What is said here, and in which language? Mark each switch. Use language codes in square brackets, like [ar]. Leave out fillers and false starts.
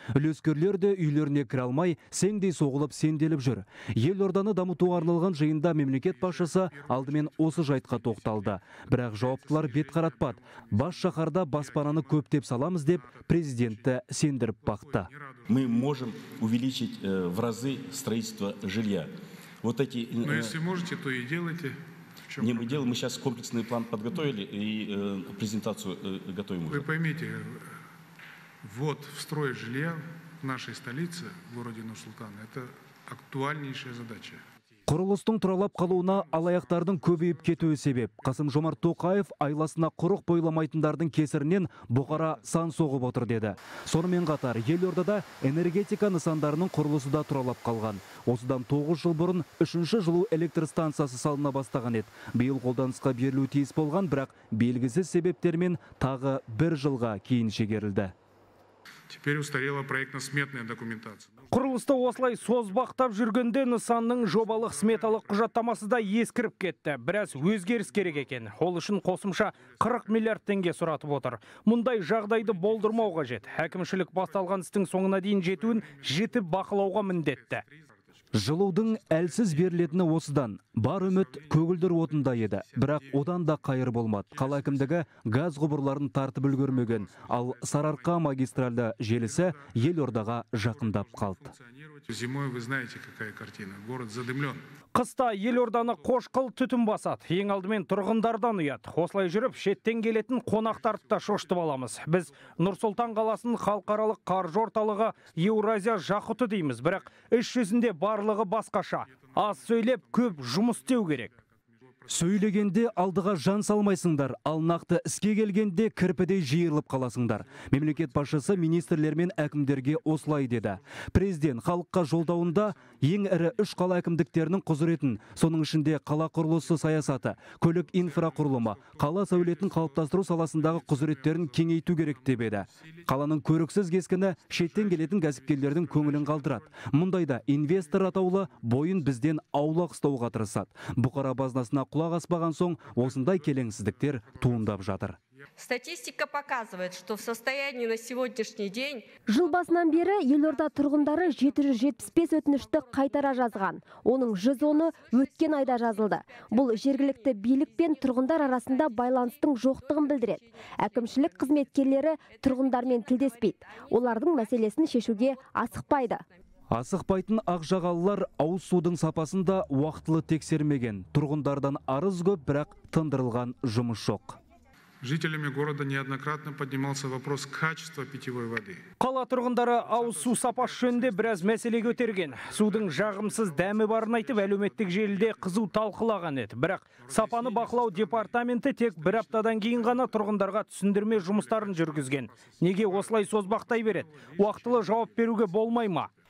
[kk] Үлескерлер де үйлеріне кіре алмай, сеңдей соғылып сенделіп жүр. Елорданы дамытуға арналған жиында мемлекет басшысы алдымен осы жайтқа тоқталды. Бірақ жауаптылар бет қаратпады. Бас шаһарда баспананы көптеп саламыз деп президентті сендіріп бақты. [ru] Мы можем увеличить в разы строительство жилья. Вот эти, но если можете, то и делайте. Не, мы делаем, мы сейчас комплексный план подготовили и презентацию готовим уже. Вы поймите, вот в строй жилья в нашей столице, в городе Нур-Султан, это актуальнейшая задача. [kk] Құрылыстың тұралап қалуына алаяқтардың көбейіп кетуі себеп. Қасым-Жомарт Тоқаев айласына құрық бойламайтындардың кесірінен Бұқара сан соғып отыр деді. Сонымен қатар елордада энергетика нысандарының құрылысы да тұралап қалған. Осыдан 9 жыл бұрын 3-ші жылу электростанциясы салына бастаған еді. Биыл қолданысқа берілуі тиіс болған, бірақ белгісіз себептермен тағы 1 жылға кейін шегерілді. [ru] Теперь устарела проектно-сметная документация. [kk] Құрылысты осылай созбақтап жүргенде нысанның жобалық сметалық құжаттамасы да ескіріп кетті. Біраз өзгеріс керек екен. Ол үшін қосымша 40 миллиард теңге сұратып отыр. Мұндай жағдайды болдырмау қажет. Әкімшілік басталған істің соңына дейін жетуін жетіп бақылауға міндетті. Жылудың әлсіз берілетіні осыдан. Бар үміт көгілдір отында еді, бірақ одан да қайыр болмады. Қала әкімдігі газ құбырларын тартып үлгермеген, ал Сарыарқа магистральды желісі елордаға жақындап қалды. [ru] Зимой вы знаете, какая картина. Город задымлен. [kk] Қыста елорданы қошқыл түтін басады. Ең алдымен тұрғындардан ұят. Осылай жүріп, шеттен келетін қонақтарды да шошытып аламыз. Біз Нұр-Сұлтан қаласын халықаралық қаржы орталығы Еуразия жақұты дейміз. Бірақ іс жүзінде барлығы басқаша. Аз сөйлеп, көп жұмыс істеу керек. Сөйлегенде алдыға жан салмайсыңдар, ал нақты іске келгенде кірпідей жиырылып қаласыңдар. Мемлекет басшысы министрлер мен әкімдерге осылай деді. Президент халыққа жолдауында ең ірі үш қала әкімдіктерінің құзыретін, соның ішінде қала құрылысы саясаты, көлік инфрақұрылымы, қала сәулетін қалыптастыру саласындағы құзыреттерін кеңейту керек деп еді. Қаланың көріксіз кескіні шеттен келетін кәсіпкерлердің көңілін қалдырады. Мұндайда инвестор атаулы бойын бізден аулақ ұстауға тырысады. Бұқара базынасына құлақ аспаған соң осындай келеңсіздіктер туындап жатыр. [ru] Статистика показывает, что в состоянии на сегодняшний день... [kk] Жыл басынан бері елорда тұрғындары 775 өтінішті қайтара жазған. Оның 110-ы өткен айда жазылды. Бұл жергілікті билік пен тұрғындар арасында байланыстың жоқтығын білдіреді. Әкімшілік қызметкерлері тұрғындармен тілдеспейді. Олардың мәселесін шешуге асықпайды. Асықпайтын ақжағалылар ауыз судың сапасын да уақытылы тексермеген. Тұрғындардан арыз көп, бірақ тындырылған жұмыс жоқ. [ru] Жителями города неоднократно поднимался вопрос качества питьевой воды. [kk] Қала тұрғындары ауыз су сапасы жөнінде біраз мәселе көтерген. Судың жағымсыз дәмі барын айтып, әлеуметтік желіде қызу талқылаған еді. Бірақ сапаны бақылау департаменті тек бір аптадан кейін ғана тұрғындарға түсіндірме жұмыстарын жүргізген. Неге осылай созбақтай береді? Уақытылы жауап беруге болмай ма?